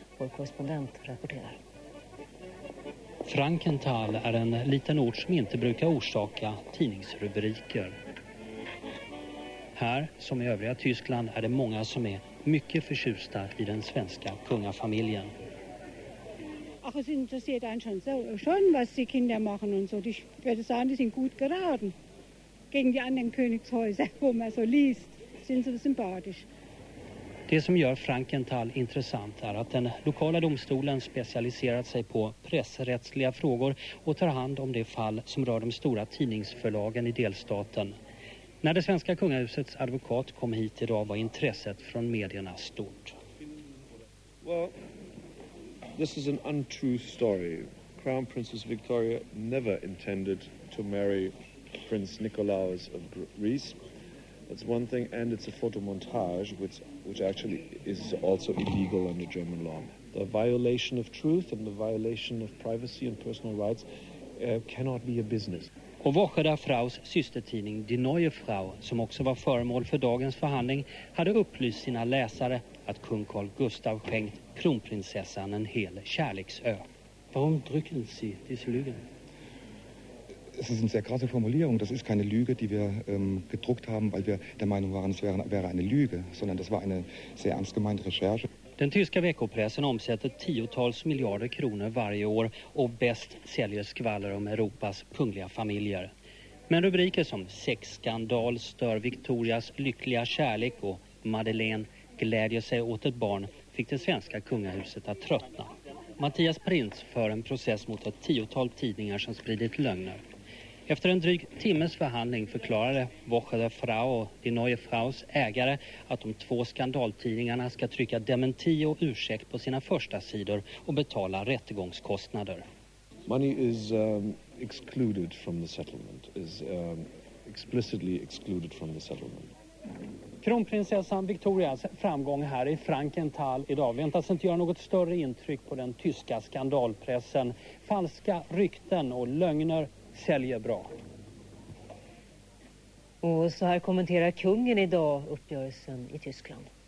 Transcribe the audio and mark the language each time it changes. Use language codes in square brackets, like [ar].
[sv] Vår korrespondent rapporterar. Frankenthal är en liten ort som inte brukar orsaka tidningsrubriker. Här, som i övriga Tyskland, är det många som är mycket förtjusta i den svenska kungafamiljen. [de] Ach, es interessiert einen schon so, schon, was die Kinder machen und so. Ich würde sagen, die sind gut geraten. Gegen die anderen Königshäuser, wo man so liest, sind sie sympathisch. [sv] Det som gör Frankenthal intressant är att den lokala domstolen specialiserat sig på pressrättsliga frågor och tar hand om det fall som rör de stora tidningsförlagen i delstaten. När det svenska kungahusets advokat kom hit idag var intresset från medierna stort. [en] Well, this is an untrue story. Crown Princess Victoria never intended to marry Prince Nicolaus of Greece. That's one thing, and it's a photomontage, which actually is also illegal under German law. The violation of truth and the violation of privacy and personal rights cannot be a business. [sv] Och Vacher Fraus systertidning Die Neue Frau, som också var föremål för dagens förhandling, hade upplyst sina läsare att kung Carl Gustav skänkt kronprinsessan en hel kärleksö. [de] Warum drücken Sie diese Lügen? Es ist eine sehr krasse Formulierung. Das ist keine Lüge, die wir gedruckt haben, weil wir der Meinung waren, es wäre eine Lüge, sondern das war eine sehr ernst gemeinte Recherche. [sv] Den tyska veckopressen omsätter tiotals miljarder kronor varje år och bäst säljer skvaller om Europas kungliga familjer. Men rubriker som sexskandal stör Victorias lyckliga kärlek och Madeleine glädjer sig åt ett barn fick det svenska kungahuset att tröttna. Mattias Prins för en process mot ett tiotal tidningar som spridit lögner. Efter en dryg timmes förhandling förklarade Vacher Frau och Die Neue Fraus ägare att de två skandaltidningarna ska trycka dementi och ursäkt på sina första sidor och betala rättegångskostnader. [en] Money is excluded from the settlement, is explicitly excluded from the settlement. [sv] Kronprinsessan Victorias framgång här i Frankenthal idag väntas inte göra något större intryck på den tyska skandalpressen. Falska rykten och lögner säljer bra. Och så här kommenterar kungen idag uppgörelsen i Tyskland.